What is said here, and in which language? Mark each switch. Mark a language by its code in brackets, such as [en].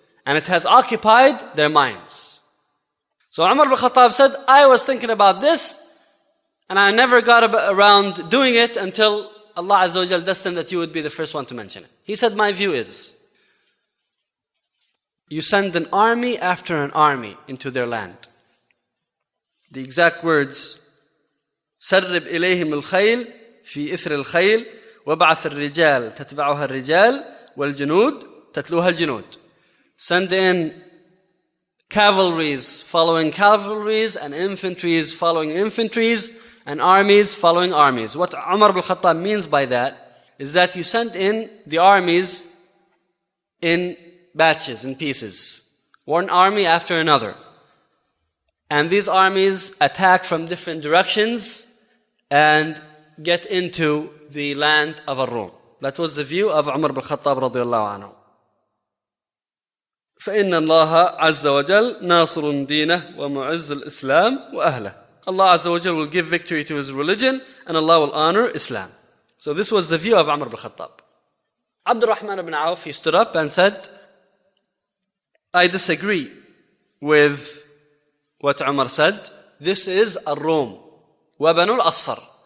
[en] And it has occupied their minds. So Umar ibn Khattab said, I was thinking about this and I never got around doing it until Allah Azza wa Jal destined that you would be the first one to mention it. He said, my view is, you send an army after an army into their land. The exact words, [ar] سَرِّبْ إِلَيْهِمُ الْخَيْلِ فِي إِثْرِ الْخَيْلِ وَبَعَثِ الرِّجَالِ تَتْبَعُهَا الرِّجَالِ وَالْجُنُودِ تَتْلُوهَا الْجُنُودِ. [en] Send in cavalries following cavalries and infantries following infantries and armies following armies. What Umar ibn Khattab means by that is that you send in the armies in batches and pieces, one army after another, and these armies attack from different directions and get into the land of Ar-Rum. That was the view of Umar ibn Khattab radiallahu anhu. [ar] فإن الله عز وجل ناصر دينه ومعز الإسلام وأهله. [en] Allah عز وجل will give victory to His religion and Allah will honor Islam. So this was the view of Umar ibn Khattab. Abdurrahman ibn Auf, he stood up and said, I disagree with what Umar said. This is Ar-Rum. [ar] وَبَنُ الْأَصْفَرِ.